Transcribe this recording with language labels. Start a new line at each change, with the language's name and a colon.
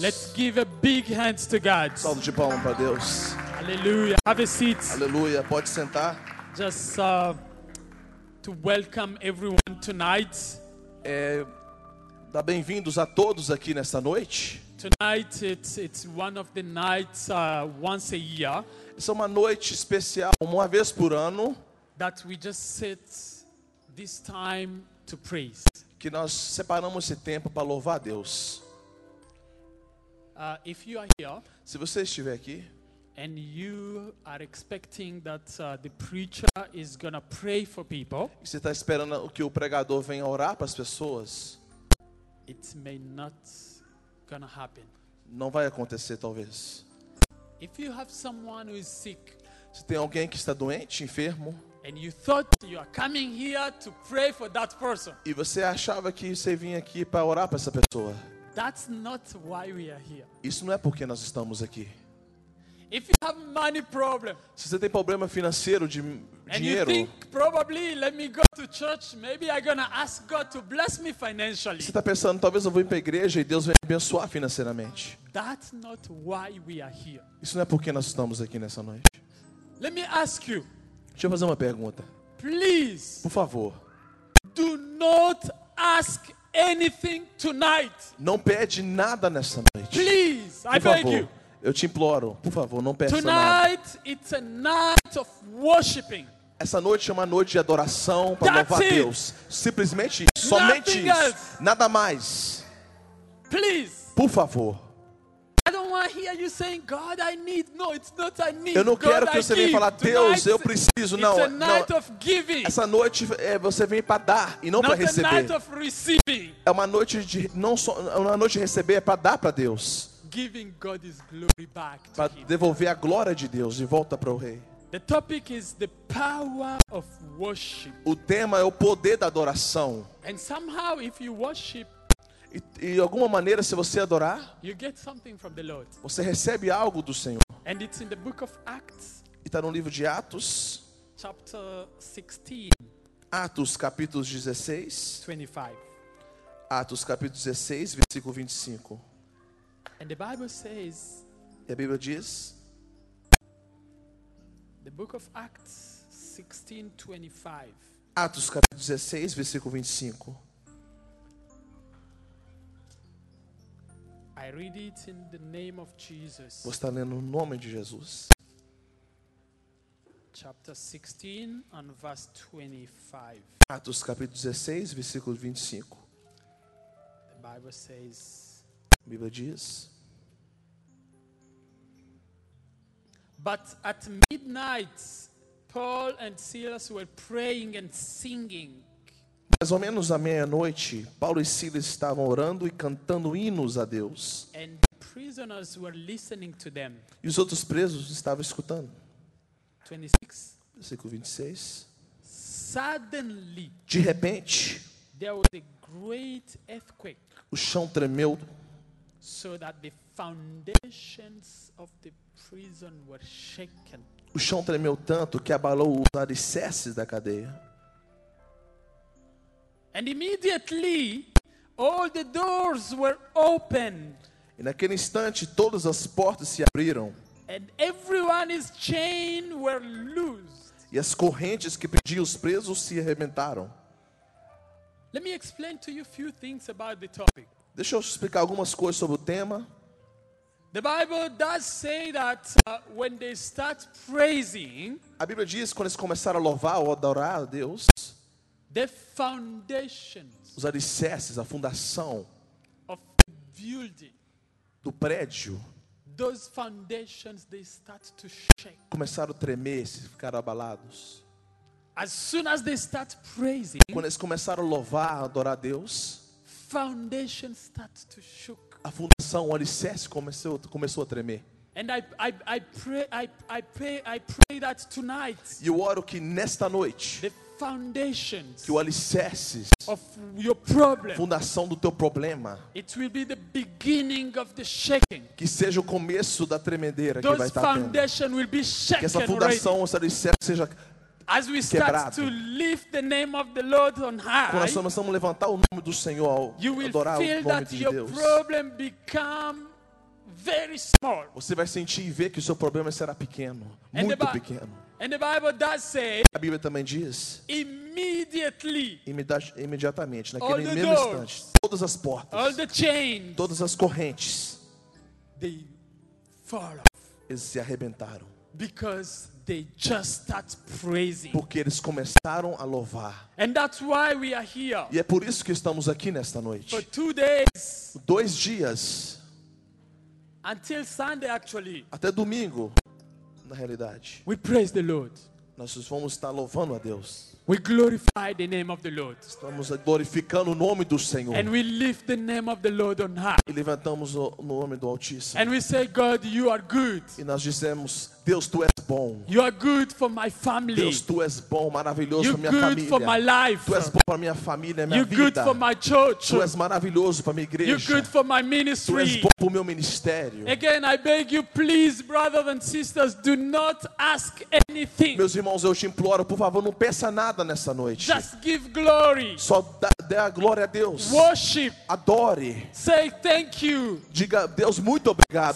English: Let's give a big hands to God.
Portuguese: Salve de palmas para Deus.
English: Aleluia. Have a seat.
Portuguese: Aleluia. Pode sentar.
English: Just to welcome everyone tonight.
Portuguese: É, dá bem-vindos a todos aqui nesta noite.
English: Tonight it's one of the nights once a year.
Portuguese: Essa é uma noite especial, uma vez por ano,
English: that we just set this time to praise.
Portuguese: Que nós separamos esse tempo para louvar a Deus.
English: If you are here,
Portuguese: se você estiver aqui,
English: and you are expecting that the preacher is gonna pray for people,
Portuguese: e você está esperando que o pregador venha orar para as pessoas,
English: it may not gonna happen.
Portuguese: Não vai acontecer, talvez.
English: If you have someone who is sick,
Portuguese: se tem alguém que está doente, enfermo,
English: and you thought you are coming here to pray for that person,
Portuguese: e você achava que você vinha aqui para orar para essa pessoa,
English: that's not why we are here.
Portuguese: Isso não é porque nós estamos aqui.
English: If you have money problem,
Portuguese: se você tem problema financeiro de dinheiro,
English: and you think probably let me go to church, maybe I'm gonna ask God to bless me financially.
Portuguese: Você está pensando, talvez eu vou ir para a igreja e Deus vai me abençoar financeiramente.
English: That's not why we are here.
Portuguese: Isso não é porque nós estamos aqui nessa noite.
English: Let me ask you.
Portuguese: Deixa eu fazer uma pergunta.
English: Please.
Portuguese: Por favor.
English: Do not ask anything tonight.
Portuguese: Não pede nada nessa noite.
English: Please, I
Portuguese: favor.
English: Beg you.
Portuguese: Eu te imploro, por favor, não peça
English: tonight,
Portuguese: nada.
English: It's a night of worshiping.
Portuguese: Essa noite é uma noite de adoração para louvar
English: it.
Portuguese: Deus. Simplesmente, somente
English: nothing
Portuguese: isso.
English: Else.
Portuguese: Nada mais.
English: Please.
Portuguese: Por favor.
English: I don't want to hear you saying, God, I need. No, it's not I need.
Portuguese: Eu não quero
English: God,
Portuguese: que você venha falar, Deus,
English: tonight,
Portuguese: eu preciso. Não,
English: it's a night
Portuguese: não.
English: Of giving.
Portuguese: Essa noite é você vem para dar e não para receber.
English: Night of receiving.
Portuguese: É uma noite de não só uma noite de receber, é para dar para Deus.
English: Giving God his glory back to him.
Portuguese: Para devolver a glória de Deus de volta para o rei.
English: The topic is the power of worship.
Portuguese: O tema é o poder da adoração.
English: And somehow if you worship,
Portuguese: e de alguma maneira se você adorar,
English: you get something from the Lord.
Portuguese: Você recebe algo do Senhor.
English: And it's in the book of Acts.
Portuguese: E está no livro de Atos.
English: Chapter 16.
Portuguese: Atos capítulo 16.
English: 25.
Portuguese: Atos capítulo 16, versículo 25.
English: And the Bible says,
Portuguese: e a Bíblia diz,
English: The book of Acts 16:25.
Portuguese: Atos capítulo 16, versículo 25.
English: I read it in the name of Jesus.
Portuguese: Vou estar lendo no nome de Jesus.
English: Chapter 16 and verse 25.
Portuguese: Atos capítulo 16, versículo 25.
English: The Bible says.
Portuguese: A Bíblia diz.
English: But at midnight, Paul and Silas were praying and singing.
Portuguese: Mais ou menos à meia-noite, Paulo e Silas estavam orando e cantando hinos a Deus.
English: And prisoners were listening to them.
Portuguese: E os outros presos estavam escutando.
English: 26. Suddenly,
Portuguese: de repente,
English: there was a great earthquake.
Portuguese: O chão tremeu.
English: So that the foundations of the prison were shaken.
Portuguese: O chão tremeu tanto que abalou os alicerces da cadeia.
English: And immediately all the doors were opened.
Portuguese: E naquele instante todas as portas se abriram.
English: And everyone's chains were loosed.
Portuguese: E as correntes que prendiam os presos se arrebentaram.
English: Let me explain to you a few things about the topic.
Portuguese: Deixa eu explicar algumas coisas sobre o tema.
English: The Bible does say that when they start praising,
Portuguese: a Bíblia diz que quando eles começaram a louvar ou adorar a Deus,
English: the foundations,
Portuguese: os alicerces, a fundação
English: of the building,
Portuguese: do prédio,
English: those foundations, they start to shake.
Portuguese: Começaram a tremer, se ficaram abalados.
English: As soon as they start praising,
Portuguese: quando eles começaram a louvar, adorar a Deus,
English: foundation start to shook.
Portuguese: A fundação, o alicerce começou a tremer.
English: And I pray that tonight.
Portuguese: E eu oro que nesta noite,
English: the foundations,
Portuguese: que o alicerce
English: of your problem,
Portuguese: fundação do teu problema,
English: it will be the beginning of the shaking.
Portuguese: Que seja o começo da tremedeira.
English: Those
Portuguese: que vai estar
English: foundation
Portuguese: tendo.
English: Will be shaken.
Portuguese: Que essa fundação, esse alicerce seja
English: as we
Portuguese: quebrado.
English: Start to lift the name of the Lord on high.
Portuguese: Quando nós começamos a levantar o nome do Senhor,
English: you will
Portuguese: adorar
English: feel
Portuguese: o nome
English: that
Portuguese: de
English: your
Portuguese: Deus.
English: Problem become very small.
Portuguese: Você vai sentir e ver que o seu problema será pequeno, muito pequeno.
English: And the Bible does say,
Portuguese: a Bíblia também diz,
English: immediately,
Portuguese: imediatamente, naquele mesmo instante, todas as portas,
English: all the chains,
Portuguese: todas as correntes,
English: they fall off.
Portuguese: Eles se arrebentaram.
English: Because they just start praising.
Portuguese: Porque eles começaram a louvar.
English: And that's why we are here.
Portuguese: E é por isso que estamos aqui nesta noite.
English: For 2 days.
Portuguese: 2 dias.
English: Until Sunday, actually.
Portuguese: Até domingo, na realidade.
English: We praise the Lord.
Portuguese: Nós vamos estar louvando a Deus.
English: We glorify the name of the Lord.
Portuguese: Estamos glorificando o nome do Senhor.
English: And we lift the name of the Lord on high.
Portuguese: E levantamos o nome do Altíssimo.
English: And we say, God, you are good.
Portuguese: E nós dizemos, Deus, tu és bom.
English: You are good for my family.
Portuguese: Deus, tu és bom, maravilhoso para minha família.
English: You're good for my life.
Portuguese: Tu és bom para minha família, minha
English: You're
Portuguese: vida.
English: Good for my church.
Portuguese: Tu és maravilhoso para minha igreja.
English: You're good for my ministry.
Portuguese: Tu és bom para o meu ministério.
English: Again, I beg you, please, brothers and sisters, do not ask anything.
Portuguese: Meus irmãos, eu te imploro, por favor, não peça nada nessa noite.
English: Just give glory.
Portuguese: Só dê a glória a Deus.
English: Worship.
Portuguese: Adore.
English: Say thank you.
Portuguese: Diga, Deus, muito obrigado.